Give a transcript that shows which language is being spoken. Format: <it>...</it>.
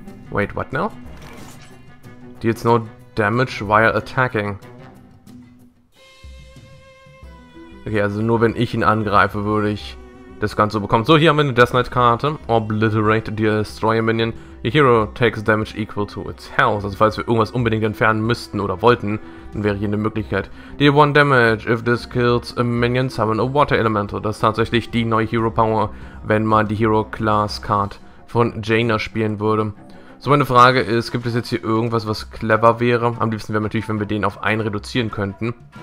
<en>Wait, what now? Deals no damage while attacking.</en> <de>Okay, also nur wenn ich ihn angreife, würde ich das Ganze bekommen. So, hier haben wir eine Death Knight Karte.</de> <en>Obliterate the Destroyer Minion. Your hero takes damage equal to its health.</en> <de>Also falls wir irgendwas unbedingt entfernen müssten oder wollten, dann wäre hier eine Möglichkeit.</de> <en>Deal one damage if this kills a minion, summon a water elemental.</en> <de>Das ist tatsächlich die neue Hero Power, wenn man die Hero Class Card von Jaina spielen würde. So, meine Frage ist, gibt es jetzt hier irgendwas, was clever wäre? Am liebsten wäre natürlich, wenn wir den auf 1 reduzieren könnten.</de>